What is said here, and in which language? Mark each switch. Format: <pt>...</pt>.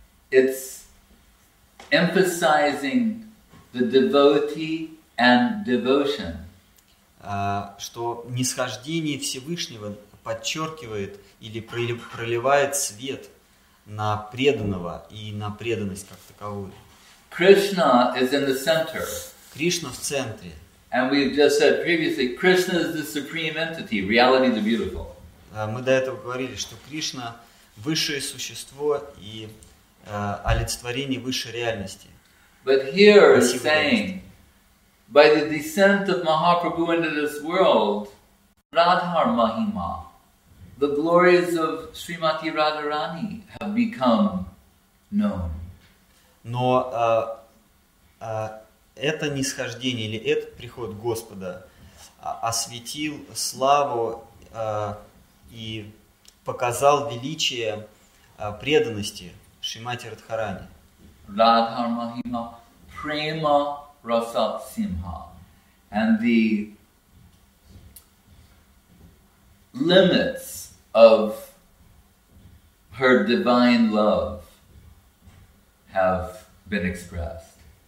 <en>It's emphasizing the devotee and devotion.</en> <ru>Что нисхождение Всевышнего подчеркивает или проливает свет на преданного и на преданность как таковую.</ru> <en>Krishna is in the center.</en> <ru>Кришна в центре.</ru> <en>And we've just said previously, Krishna is the supreme entity, reality the beautiful.</en> <ru>Мы до этого говорили, что Кришна – высшее существо и олицетворение высшей реальности.</ru> <en>But here is saying, by the descent of Mahaprabhu into this world, Radhar Mahima, the glories of Srimati Radharani have become known.</en> <ru>Но это нисхождение или этот приход Господа осветил славу и показал величие преданности Шримати Радхарани.</ru> <en>Radhar Mahima, Prema Rasa Simha, and the limits of her divine love have been expressed.</en>